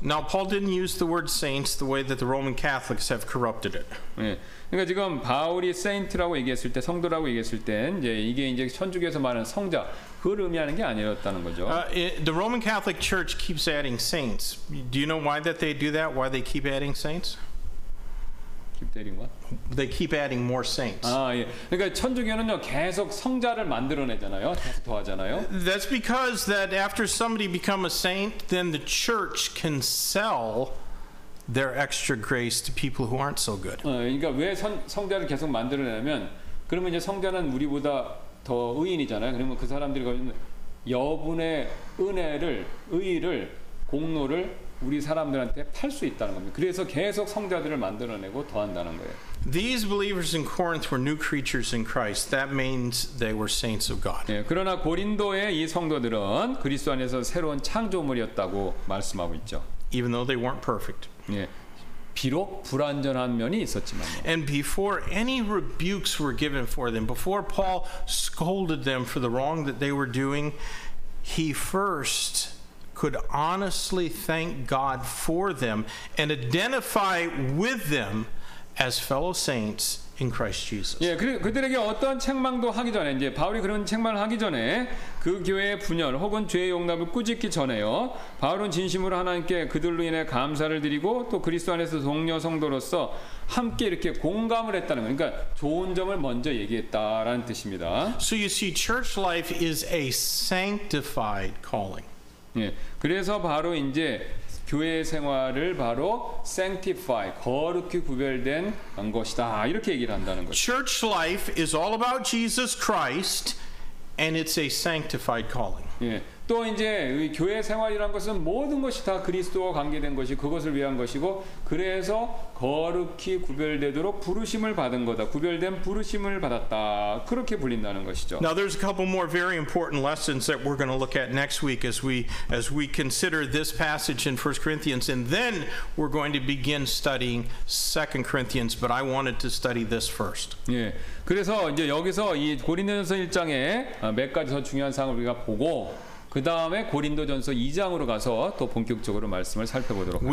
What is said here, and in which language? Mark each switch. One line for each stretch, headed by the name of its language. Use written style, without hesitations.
English: Now Paul didn't use the word saints the way that the Roman Catholics have corrupted it.
Korean: 예, 그러니까 지금 바울이 saint라고 얘기했을 때 성도라고 얘기했을 때 이제 이게 이제 천주교에서 말하는 성자 그걸 의미하는 게 아니었다는 거죠.
English: The Roman Catholic Church keeps adding saints. Do you know why that they do that? Why they keep adding saints? They keep adding more saints.
Korean: 아, 예. 그러니까 천주교는요 계속 성자를 만들어내잖아요. 계속 더하잖아요.
English: That's because that after somebody become a saint, then the church can sell their extra grace to people who aren't so good.
Korean: 그러니까 왜 성자를 계속 만들어내냐면 그러면 이제 성자는 우리보다 더 의인이잖아요. 그러면 그 사람들이 여분의 은혜를 의의를 공로를 우리 사람들한테 팔 수 있다는 겁니다. 그래서 계속 성자들을 만들어내고 더한다는 거예요.
English: These believers in Corinth were new creatures in Christ. That means they were saints of God.
Korean: 예, 그러나 고린도의 이 성도들은 그리스도 안에서 새로운 창조물이었다고 말씀하고 있죠.
English: Even though they weren't perfect.
Korean: 예. 비록 불완전한 면이 있었지만요.
English: And before any rebukes were given for them, before Paul scolded them for the wrong that they were doing, he first could honestly thank God for them and identify with them as fellow saints in Christ Jesus.
Korean: 예, 그들에게 어떤 책망도 하기 전에 이제 바울이 그런 책망을 하기 전에 그 교회의 분열 혹은 죄의 용납을 꾸짖기 전에요. 바울은 진심으로 하나님께 그들로 인해 감사를 드리고 또 그리스도 안에서 동료 성도로서 함께 이렇게 공감을 했다는 거. 그러니까 좋은 점을 먼저 얘기했다라는 뜻입니다.
English: So you see church life is a sanctified calling.
Korean: 예. 그래서 바로 이제 교회 생활을 바로 sanctify 거룩히 구별된 것이다. 이렇게 얘기를 한다는 거죠.
English: Church life is all about Jesus Christ and it's a sanctified calling.
Korean: 예. 또 이제 교회 생활이란 것은 모든 것이 다 그리스도와 관계된 것이 그것을 위한 것이고 그래서 거룩히 구별되도록 부르심을 받은 거다. 구별된 부르심을 받았다. 그렇게 불린다는 것이죠.
English: Now there's a couple more very important lessons that we're going to look at next week as we consider this passage in 1 Corinthians and then we're going to begin studying 2 Corinthians but I wanted to study this first.
Korean: 예. 그래서 이제 여기서 이 고린도전서 1장에 몇 가지 더 중요한 사항을 우리가 보고 그 다음에 고린도전서 2장으로 가서 또 본격적으로 말씀을 살펴보도록 하겠습니다.